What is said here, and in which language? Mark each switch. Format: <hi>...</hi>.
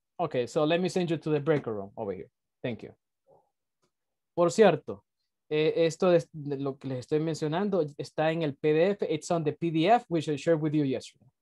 <en>Okay, so let me send you to the break room over here. Thank you.</en> <es>Por cierto, esto es lo que les estoy mencionando, está en el PDF.</es> <en>It's on the PDF, which I shared with you yesterday.</en>